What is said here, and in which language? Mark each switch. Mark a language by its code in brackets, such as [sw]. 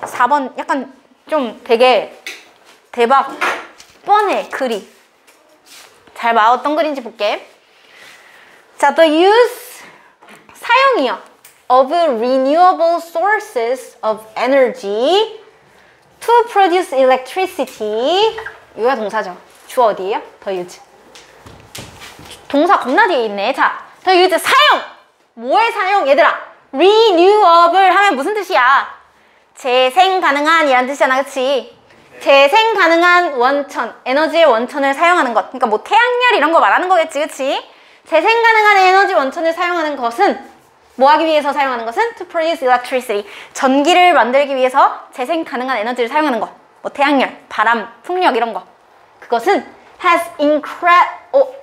[ko] 4번 약간 좀 되게 대박 뻔해, 글이. 잘 봐, 어떤 글인지 볼게. 자, [en] the use [ko] 사용이요 [en] of renewable sources of energy to produce electricity. [ko] 이거야 동사죠. 주어 어디에요? [en] the use. [ko] 동사 겁나 뒤에 있네. 자, [en] the use [ko] 사용. 뭐에 사용? 얘들아, renewable 하면 무슨 뜻이야? 재생 가능한 이란 뜻이잖아, 그치? 재생 가능한 원천, 에너지의 원천을 사용하는 것. 그러니까 뭐 태양열 이런 거 말하는 거겠지, 그치? 재생 가능한 에너지 원천을 사용하는 것은 뭐 하기 위해서 사용하는 것은? [en] To produce electricity. [ko] 전기를 만들기 위해서 재생 가능한 에너지를 사용하는 것. 뭐 태양열, 바람, 풍력 이런 거. 그것은 [en] has incredible...